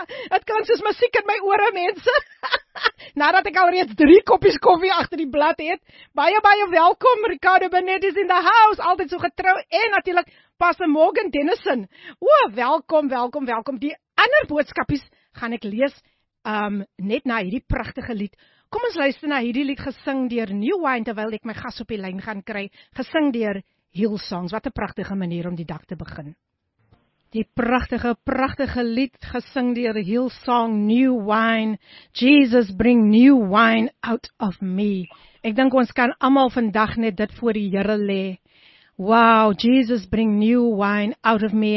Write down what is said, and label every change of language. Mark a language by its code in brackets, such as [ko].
[af] Het kan soos musiek in my ore, mense. Nadat ek alreeds 3 koppies koffie agter die blad het. Baie welkom, Ricardo Benet [en] is in the house. [af] Altyd so getrou en natuurlik Pastor Morgan Dennison. O, welkom. Die ander boodskapies gaan ek lees net na hierdie pragtige lied. Kom ons luister na hierdie lied gesing deur New Wine terwyl ek my gas op die lyn gaan kry. Gesing deur Hillsongs. Wat 'n pragtige manier om die dag te begin. Die pragtige lied gesing deur Hillsong, New Wine. [en] Jesus, bring new wine out of me. [af] Ek dink ons kan almal vandag net dit voor die Here lê. [en] Wow, Jesus, bring new wine out of me.